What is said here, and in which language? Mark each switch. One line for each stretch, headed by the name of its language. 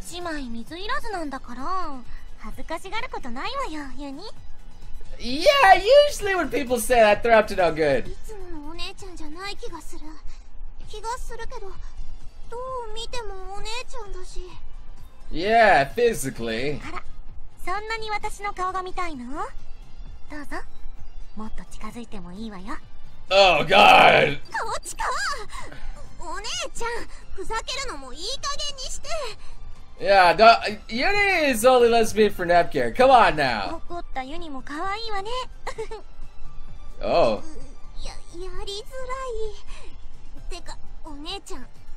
Japanese: 姉妹水いらずなんだから、恥ずかしがることないわよ、ユニ。
English: Yeah, usually when people say that, they're up to no good.
Japanese: いつものお姉ちゃんじゃない気がする。気がするけど、どう見てもお姉ちゃんだし。
English: Yeah, physically.
Japanese: そんなに私の顔が見たいの？どうぞ。もっと近づいてもいいわよ。
English: Oh God!
Japanese: こっちか！お姉ちゃん、ふざけるのもいい加減にして。
English: Yeah, the Yuni is only lesbian for nap care. Come on now.
Japanese: 怒ったユニも可愛いわね。
English: Oh.
Japanese: やりづらい。てか、お姉ちゃん、